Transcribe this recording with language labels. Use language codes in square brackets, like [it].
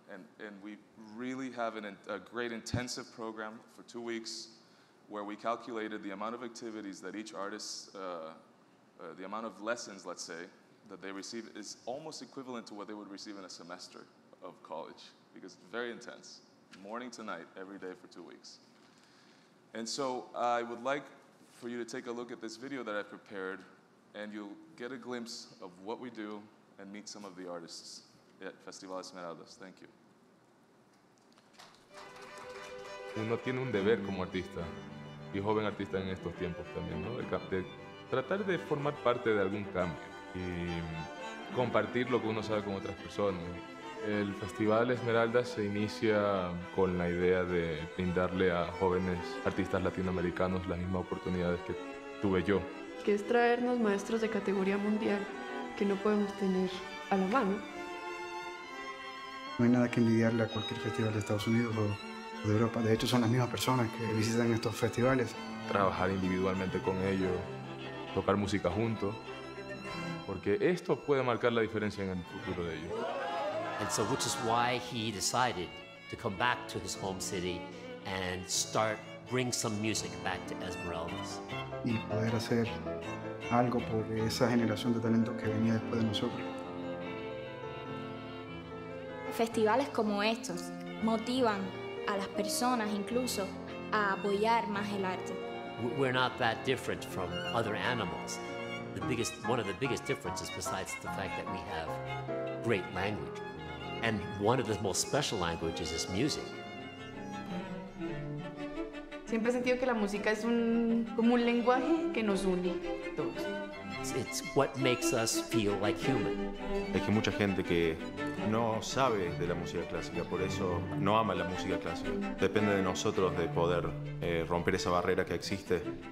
[en] And we really have a great intensive program for 2 weeks where we calculated the amount of activities that each artist, the amount of lessons, let's say, that they receive is almost equivalent to what they would receive in a semester of college, because it's very intense. Morning to night, every day for 2 weeks. And so I would like for you to take a look at this video that I prepared, and you'll get a glimpse of what we do and meet some of the artists at Festival Esmeraldas. Thank you. [es] Uno tiene un deber como artista, y joven artista en estos tiempos también, ¿no? De tratar de formar parte de algún cambio y compartir lo que uno sabe con otras personas. El Festival Esmeraldas se inicia con la idea de brindarle a jóvenes artistas latinoamericanos las mismas oportunidades que tuve yo. Que es traernos maestros de categoría mundial que no podemos tener a la mano. No hay nada que envidiarle a cualquier festival de Estados Unidos o de Europa. De hecho, son las mismas personas que visitan estos festivales. Trabajar individualmente con ellos, tocar música juntos, porque esto puede marcar la diferencia en el futuro de ellos. [en] And so, which is why he decided to come back to his home city and start bring some music back to Esmeraldas. [es] Y poder hacer algo por esa generación de talentos que venía después de nosotros. Festivales como estos motivan a las personas incluso a apoyar más el arte. [en] We're not that different from other animals. One of the biggest differences, besides the fact that we have great language, And one of the most special languages is music. [es] Siempre he sentido que la música es un como un lenguaje que nos une todos. [en] It's what makes us feel like human. [es] Es que mucha gente que no sabe de la música clásica, por eso no ama la música clásica. Depende de nosotros de poder romper esa barrera que existe.